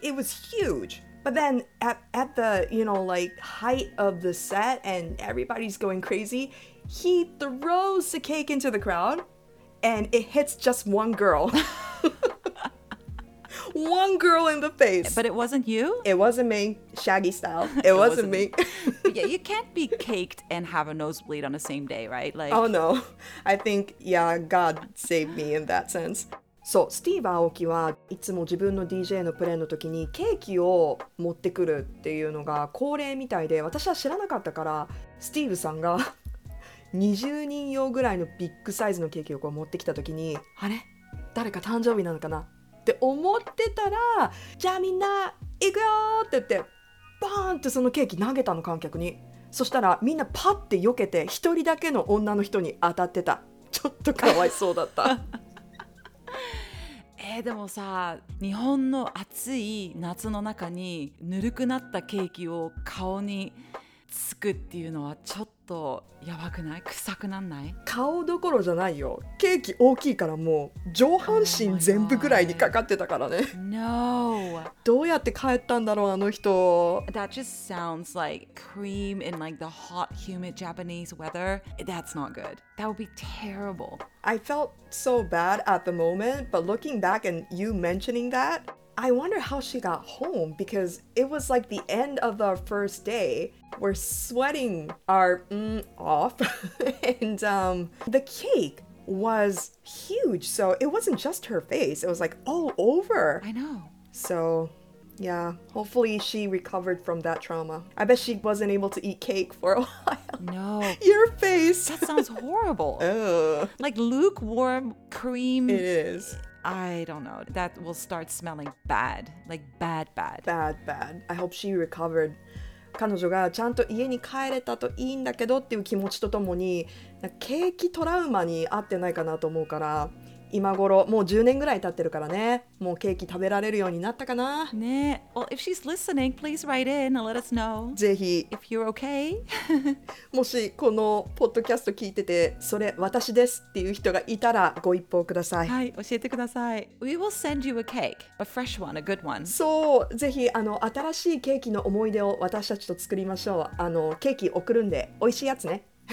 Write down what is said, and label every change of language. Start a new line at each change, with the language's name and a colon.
English: It was huge. But then at the, you know, like height of the set and everybody's going crazy, he throws the cake into the crowd and it hits just one girl. One girl in the face. But it wasn't you? It wasn't me. Shaggy style. It wasn't me. Yeah, you can't be caked and have a nosebleed on the same day, right? Like, oh no. I think, yeah, God saved me in that sense.
Japanese: そう、スティーブ・アオキはいつも自分の DJ のプレイの時にケーキを持ってくるっていうのが恒例みたいで、私は知らなかったから、スティーブさんが20人用ぐらいのビッグサイズのケーキをこう持ってきた時に、あれ誰か誕生日なのかなって思ってたら、じゃあみんな行くよって言ってバーンってそのケーキ投げたの、観客に。そしたらみんなパッて避けて一人だけの女の人に当たってた。ちょっとかわいそうだった。でもさ、日本の暑い夏の中にぬるくなったケーキを顔につくっていうのはちょっとやばくない？臭くなんない？顔どころじゃないよ。ケーキ大きいからもう上半身全部くらいにかかってたからね。
English: Oh my God. No.
Japanese: どうやって帰ったんだろう、あの人。
English: That just sounds like cream in like the hot, humid Japanese weather. That's not good. That would be terrible. I felt so bad at the moment, but looking back and you mentioning that, I wonder how she got home, because it was like the end of our first day. We're sweating our off. And the cake was huge. So it wasn't just her face. It was like all over. I know. So, yeah. Hopefully she recovered from that trauma. I bet she wasn't able to eat cake for a while. No. Your face. That sounds horrible. Like lukewarm cream. It is. I don't know. That will start smelling bad. Like bad, bad. Bad, bad. I hope she recovered.
Japanese: 彼女がちゃんと家に帰れたといいんだけどっていう気持ちとともに、ケーキトラウマに合ってないかなと思うから、今頃もう10年ぐらい経ってるからね、もうケーキ食べられるようになったかな。
English: ね、well, if she's listening, please write in and let us know.
Japanese: ぜひ。
English: If you're okay.
Japanese: もしこのポッドキャスト聞いてて、それ私ですっていう人がいたらご一報ください。はい、教えてください。
English: We will send you a cake, a fresh one, a good one.
Japanese: そう、ぜひ新しいケーキの思い出を私たちと作りましょう。ケーキ送るんで、美味しいやつね。